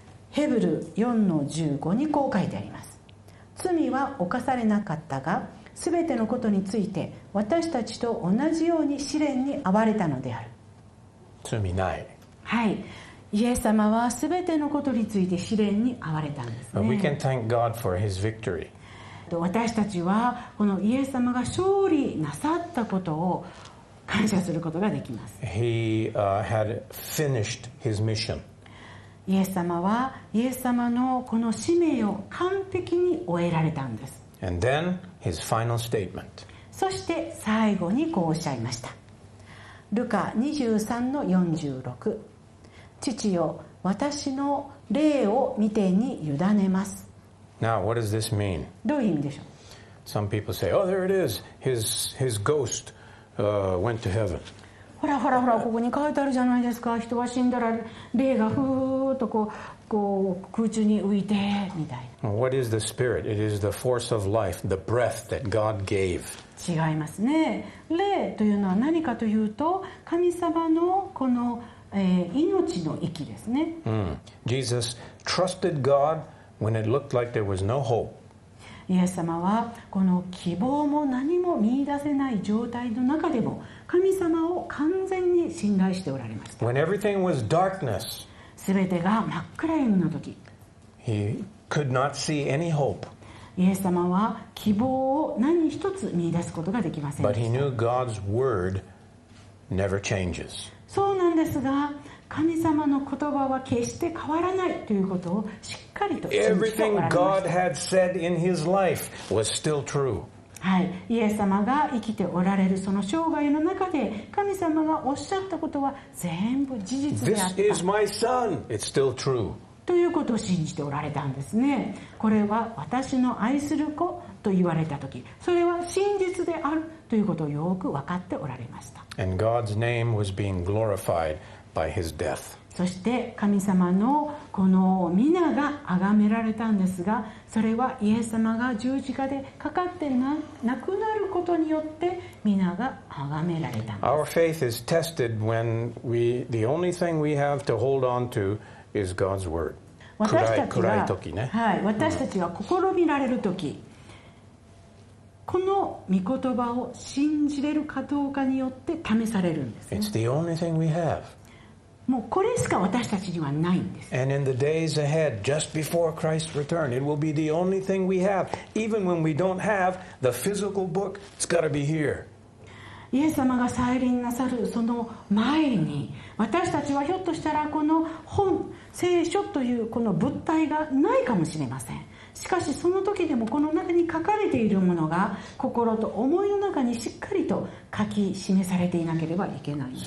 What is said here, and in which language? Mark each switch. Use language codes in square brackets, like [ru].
[ja] ヘブル 4-15 にこう書いてあります。罪は犯されなかったが、すべてのことについて私たちと同じように試練に遭われたのである。罪ない。はい、イエス様はすべてのことについて試練に遭われたんですね。 [en] But we can thank God for his victory. [ja] 私たちはこのイエス様が勝利なさったことを感謝することができます。 [en] He had finished his mission [ja] イエス様はイエス様のこの使命を完璧に終えられたんです。 [en] And then his final statement. [ja] そして最後にこうおっしゃいました。ルカ 23-46、 父よ、私の霊を御手に委ねます。 [en] Now, what does this mean? [ja] どういう意味でしょう。 [en] Some people say, oh, there it is. His ghost, went to heaven. [ja] ほらほらほら、ここに書いてあるじゃないですか。人は死んだら霊がふーっとこう空中に浮いてみたいな。 [en] What is the spirit? It is the force of life, the breath that God gave. [ja] 違いますね。霊というのは何かというと、神様のこの、命の息ですね。 [en] Jesus trusted God when it looked like there was no hope. [ja] イエス様はこの希望も何も見出せない状態の中でも神様を完全に信頼しておられました。 [en] When everything was darkness, [ja] 全てが真っ暗闇の時、 [en] He could not see any hope. [ja] イエス様は希望を何一つ見出すことができませんでした。 [en] But he knew God's word never changes. [ja] そうなんですが、神様の言葉は決して変わらないということをしっかりと信じておられました。 [en] Everything God had said in his life was still true. [ja] はい、イエス様が生きておられるその生涯の中で神様がおっしゃったことは全部事実であった。 [en] This is my son. It's still true. [ja] ということを信じておられたんですね。これは私の愛する子と言われた時、それは真実であるということをよく分かっておられました。 [en] And God's name was being glorifiedby his death. [ja] そして神様のこの皆が崇められたんですが、それはイエス様が十字架でかかって亡くなることによって皆が崇められたんです。 [en] Our faith is tested when we the only thing we have to hold on to is God's word. [ja] 暗い時ね。はい、私たちが試みられる時、この御言葉を信じれるかどうかによって試されるんです、ね。 [en] It's the only thing we have. [ja] もうこれしか私たちにはないんです。 [en] And in the days ahead, just before Christ's return, it will be the only thing we have. Even when we don't have the physical book, it's got to be here. [ja] イエス様が再臨なさるその前に、私たちはひょっとしたらこの本、聖書というこの物体がないかもしれません。しかしその時でもこの中に書かれているものが心と思いの中にしっかりと書き示されていなければいけないんです。